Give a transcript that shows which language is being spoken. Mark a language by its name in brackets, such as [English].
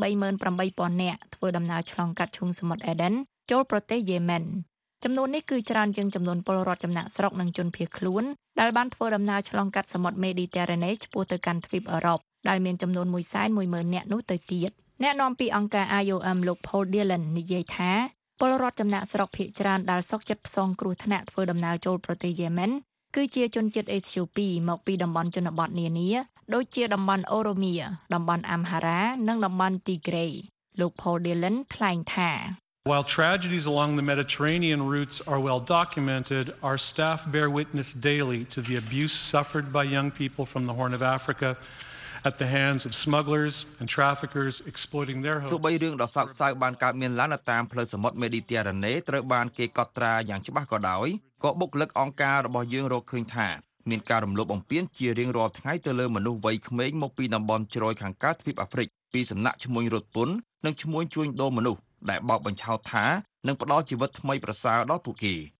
[Khmer] 138,000 នាក់ធ្វើដំណើរឆ្លងកាត់ឈូងសមុទ្រអេដិនចូលប្រទេសយេម៉ែនចំនួននេះគឺច្រើនជាងចំនួនពលរដ្ឋចំណាក់ស្រុកនិងជនភៀសខ្លួនដែលបានធ្វើដំណើរឆ្លងកាត់សមុទ្រមេឌីទែរ៉ាណេឆ្ពោះទៅកាន់ទ្វីបអឺរ៉ុបដែលមានចំនួន 110,000 នាក់នោះទៅទៀតអ្នកនាំពាក្យអង្គការ IOM លោក Paul Dillon និយាយថា ពលរដ្ឋចំណាក់ស្រុកភៀសច្រើនដែលសោកចិត្តផ្សងគ្រោះថ្នាក់ធ្វើដំណើរចូលប្រទេសយេម៉ែនគឺជាជនជាតិអេត្យូពីមកពីតំបន់ជនបទនានាដូចជាតំបន់អូរ៉ូមៀតំបន់អាំហារ៉ានិងតំបន់ទីក្រេលោក Paul Dillon ថ្លែងថា [English] While tragedies along the Mediterranean routes are well documented, our staff bear witness daily to the abuse suffered by young people from the Horn of Africa. at the hands of smugglers and traffickers exploiting their homes [Khmer] ទោះបីរឿងដ៏សោកសៅបានកើតមានឡើងតាមផ្លូវសមុទ្រមេឌីទែរ៉ាណេត្រូវបានគេកត់ត្រាយ៉ាងច្បាស់ក៏ដោយក៏បុគ្គលិកអង្គការរបស់យើងរកឃើញថាមានការរំលោភបំពានជារៀងរាល់ថ្ងៃទៅលើមនុស្សវ័យក្មេងមកពីតំបន់ជ្រោយខាងកើតទ្វីបអាហ្វ្រិកពីសំណាក់ឈ្មួញរត់ពន្ធនិងឈ្មួញជួញដូរមនុស្សដែលបោកបញ្ឆោតថានឹងផ្ដល់ជីវិតថ្មីប្រសើរដល់ពួកគេ